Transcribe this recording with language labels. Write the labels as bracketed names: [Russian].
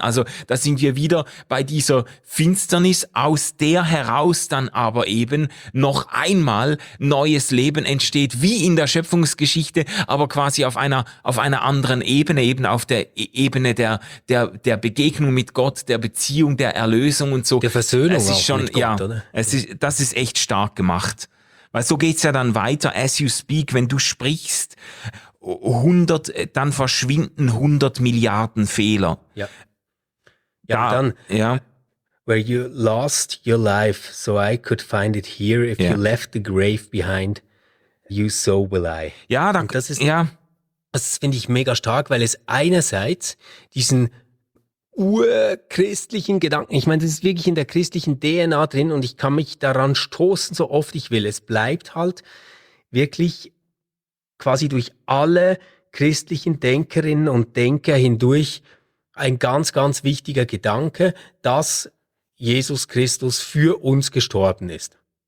[German] Also, da sind wir wieder bei dieser Finsternis, aus der heraus dann aber eben noch einmal neues Leben entsteht, wie in der Schöpfungsgeschichte, aber quasi auf einer anderen Ebene, eben auf der Ebene der Begegnung mit Gott, der Beziehung, der Erlösung und so. Der Versöhnung es ist auch schon, mit Gott, ja, oder? Das ist echt stark gemacht. Weil so geht's ja dann weiter, [English] as you speak, [German] wenn du sprichst, dann verschwinden 100 Milliarden Fehler. Ja. Ja, da, dann, ja. [English] Where you lost your life, so I could find it here, if yeah. you left the grave behind, you so will I. [German] Ja, dann, das ist, ja. Das finde ich mega stark, weil es einerseits diesen urchristlichen Gedanken. Ich meine, das ist wirklich in der christlichen DNA drin und ich kann mich daran stoßen, so oft ich will. Es bleibt halt wirklich quasi durch alle christlichen Denkerinnen und Denker hindurch ein ganz, ganz wichtiger Gedanke, dass Jesus Christus für uns gestorben ist.